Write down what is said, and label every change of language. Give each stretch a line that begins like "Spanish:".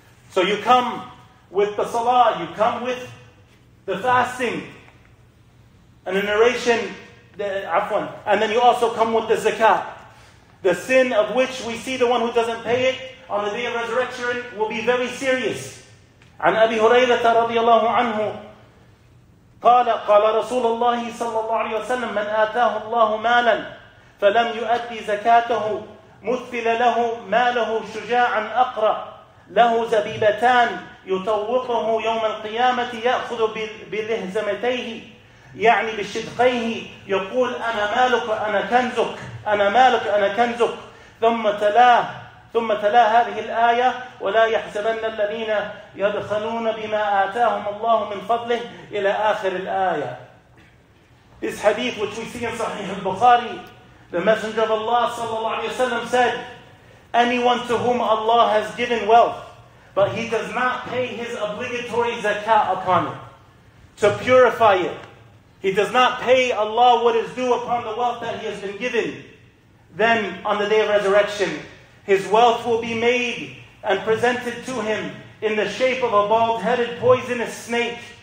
English: So you come with the salah, you come with the fasting, and a narration, and then you also come with the zakat. The sin of which we see the one who doesn't pay it on the day of resurrection will be very serious.
Arabic: عن أبي هريرة رضي الله عنه قال رسول الله صلى الله عليه وسلم من آتاه الله مالا فلم يؤدي زكاته مثل له ماله شجاعا أقرأ له زبيبتان يطوقه يوم القيامة يأخذ بلهزمتيه يعني بشدقيه يقول أنا مالك أنا كنزك أنا مالك أنا كنزك ثم تلاه ثم تلا هذه الآية ولا يحسبن الذين يبخلون بما آتاهم الله من فضله إلى آخر الآية.
English: This hadith which we see in Sahih al-Bukhari, the Messenger of Allah sallallahu alayhi wa sallam said, anyone to whom Allah has given wealth, but he does not pay his obligatory zakat upon it, to purify it, he does not pay Allah what is due upon the wealth that he has been given, then on the day of resurrection, his wealth will be made and presented to him in the shape of a bald-headed poisonous snake.